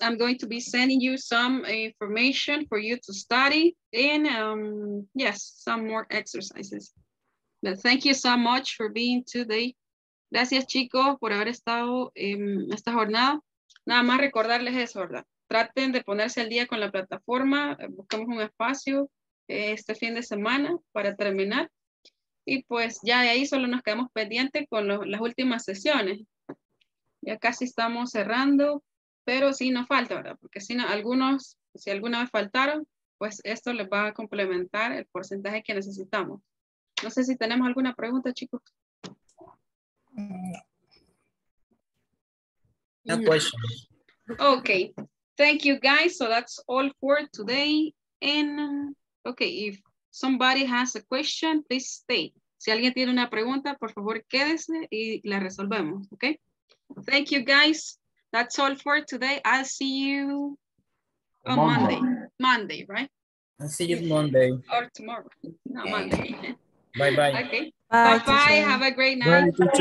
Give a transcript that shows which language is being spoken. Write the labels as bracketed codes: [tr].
[en] I'm going to be sending you some information for you to study and yes, some more exercises. But thank you so much for being today. [es] Gracias, chicos, por haber estado en esta jornada. Nada más recordarles eso, ¿verdad? Traten de ponerse al día con la plataforma. Buscamos un espacio este fin de semana para terminar. Y pues ya de ahí solo nos quedamos pendientes con las últimas sesiones. Ya casi estamos cerrando, pero sí nos falta, ¿verdad? Porque si no, algunos, si alguna vez faltaron, pues esto les va a complementar el porcentaje que necesitamos. No sé si tenemos alguna pregunta, chicos. [en] No questions. Okay. Thank you, guys. So that's all for today. And okay, if somebody has a question, please stay. [es] Si alguien tiene una pregunta, por favor, quédese y la resolvemos. [en] Okay. Thank you, guys. That's all for today. I'll see you on tomorrow. Monday. Monday, right? I'll see you Monday. Or tomorrow. Not Monday. Bye bye. Okay. Bye-bye. Have a great night.